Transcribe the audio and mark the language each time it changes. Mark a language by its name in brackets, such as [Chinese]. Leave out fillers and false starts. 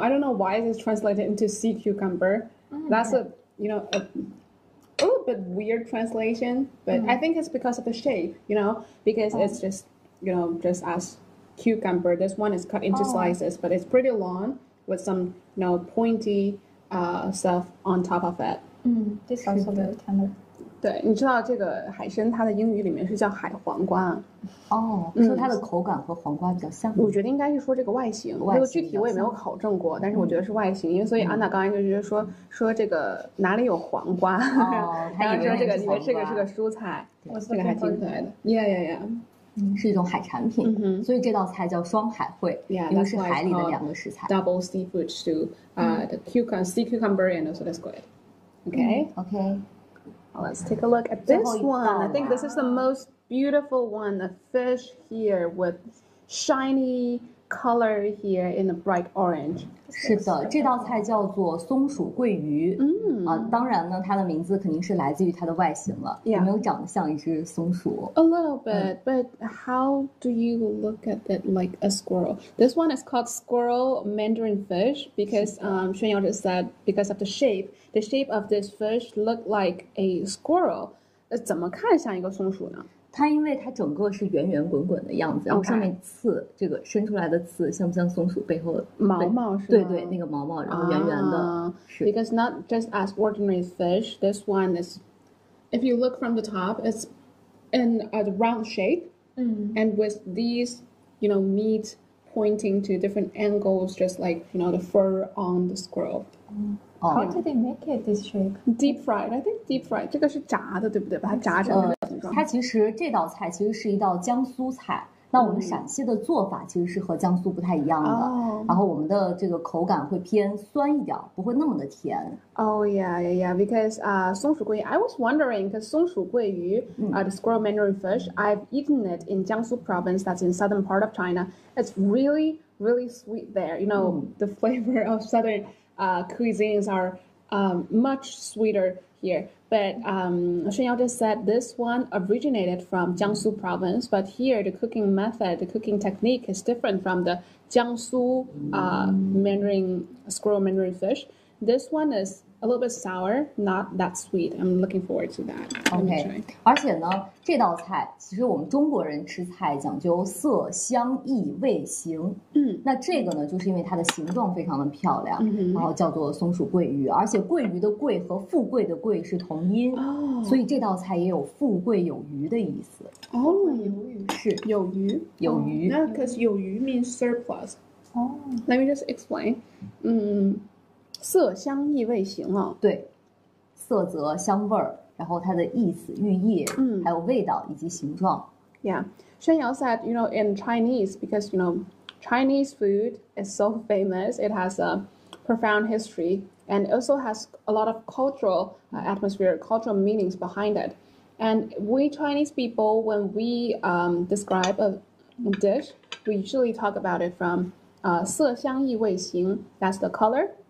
[English] I don't know why it's translated into sea cucumber. That's a little bit weird translation, but I think it's because of the shape, you know, because it's just, you know, just as cucumber. This one is cut into slices, but it's pretty long with some, you know, pointy stuff on top of it. This sounds a little tender. [Chinese] 对，你知道这个海参，它的英语里面是叫海黄瓜。说它的口感和黄瓜比较像。我觉得应该是说这个外形，外形这个具体我也没有考证过，但是我觉得是外形，因为所以安娜刚才就觉得说这个哪里有黄瓜，然后说这个蔬菜，这个还挺可爱的。是一种海产品，所以这道菜叫双海烩，因为是海里的两个食材。 [English] Double seafood stew, the cucumber, sea cucumber and also the squid. Okay. Let's take a look at this one. I think this is the most beautiful one. The fish here with shiny color here in a bright orange. [Chinese] 是的，这道菜叫做松鼠桂鱼。当然呢，它的名字肯定是来自于它的外形了。有没有长得像一只松鼠 [English] ？A little bit, but how do you look at it like a squirrel? This one is called squirrel mandarin fish because Xuan Yao just said because of the shape. The shape of this fish looked like a squirrel. [Chinese] 怎么看像一个松鼠呢？它因为它整个是圆圆滚滚的样子，然后上面刺这个伸出来的刺像不像松鼠背后毛毛是吗？对对，那个毛毛，然后圆圆的。是 [English] because not just as ordinary fish, this one is, if you look from the top, it's in a round shape, and with these, you know, meat pointing to different angles, just like you know the fur on the squirrel. How did they make it this shape? Deep fried, I think deep fried. [Chinese] 这个是炸的，对不对？把它炸成那个形状。它其实这道菜其实是一道江苏菜。那我们陕西的做法其实是和江苏不太一样的。然后我们的这个口感会偏酸一点，不会那么的甜。 [English] Oh yeah, yeah, yeah. Because松鼠桂鱼 I was wondering, because 松鼠桂鱼 the squirrel mandarin fish, I've eaten it in Jiangsu province, that's in southern part of China. It's really, really sweet there. You know, the flavor of southern cuisines are much sweeter here. But Shen Yao just said this one originated from Jiangsu province, but here the cooking method, the cooking technique is different from the Jiangsu mandarin, squirrel mandarin fish. This one is a little bit sour, not that sweet. I'm looking forward to that. Okay. [Chinese] 而且呢，这道菜其实我们中国人吃菜讲究色香意味形。那这个呢，就是因为它的形状非常的漂亮，然后叫做松鼠桂鱼，而且桂鱼的桂和富贵的贵是同音，所以这道菜也有富贵有余的意思。哦，有余是有余有余。 [English] 那 because 有余 means surplus. [Chinese] 哦 [English] ，Let me just explain. 色香意味形啊， [Chinese] 对，色泽香味儿，然后它的意思寓意，还有味道以及形状。 [English] Yeah, Shen Yao said, you know, in Chinese, because you know, Chinese food is so famous, it has a profound history, and also has a lot of cultural atmosphere, cultural meanings behind it. And we Chinese people, when we describe a dish, we usually talk about it from 色香意味形, that's the color.